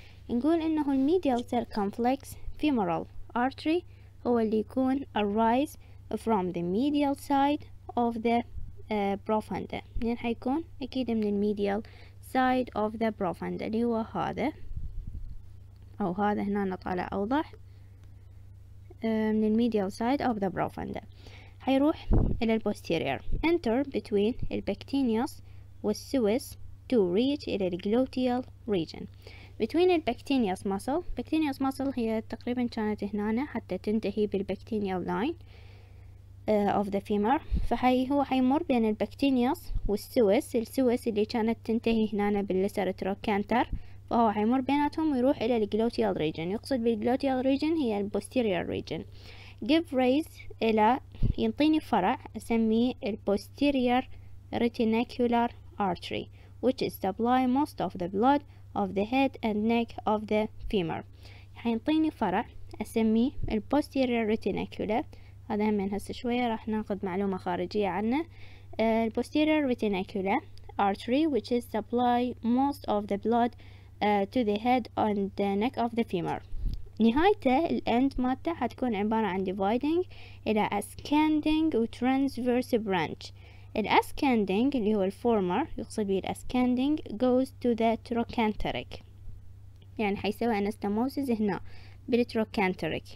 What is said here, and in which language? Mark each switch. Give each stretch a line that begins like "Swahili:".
Arabic: نقول إنه الميديال circumflex femoral artery هو اللي يكون
English: arise from the medial side of the profunda.
Arabic: منين حيكون؟ أكيد من
English: the medial side of the profunda
Arabic: اللي هو هذا أو هذا، هنا نطالع أوضح من the medial side of the profunda. حيروح إلى
English: the posterior. Enter between the pectineus and psoas to reach the gluteal region. Between the pectineus muscle.
Arabic: Pectineus muscle هي تقريبا كانت هنا حتى تنتهي بالبكتينيال line of the femur، فهي هو حيمر بين البكتينيوس والسويس، السويس اللي كانت تنتهي هنا باللسر تروكانتر، فهو حيمر بيناتهم ويروح الى الجلوتيال ريجن. يقصد بالجلوتيال ريجن هي البوستيريور ريجن. جيف ريز الى ينطيني فرع اسميه البوستيريور ريتيناكولار ارتري
English: which is supply most of the blood of the head and neck of the femur.
Arabic: حينطيني فرع اسميه البوستيريور ريتيناكولار، هذا هم هسه شوية راح ناخذ معلومة خارجية عنه.
English: Posterior retinacular artery which is supply most of the blood to the head and the neck of the femur.
Arabic: نهايته الـ end مالته حتكون عبارة عن dividing إلى ascending و transverse branch. الـ ascending اللي هو الفورمر يقصد به الـ ascending
English: goes to the trochanteric،
Arabic: يعني حيسوي anastomosis هنا بالتروكانتريك.